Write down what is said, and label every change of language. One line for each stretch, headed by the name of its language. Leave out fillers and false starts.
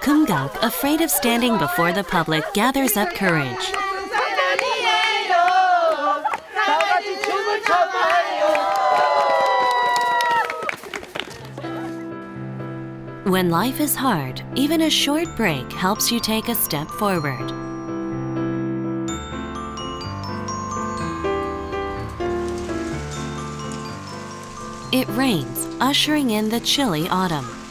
English: Kumgak, afraid of standing before the public, gathers up courage.
Korean: 사랑이에요 다 같이 춤을 춰봐요
English: When life is hard, even a short break helps you take a step forward. It rains, ushering in the chilly autumn.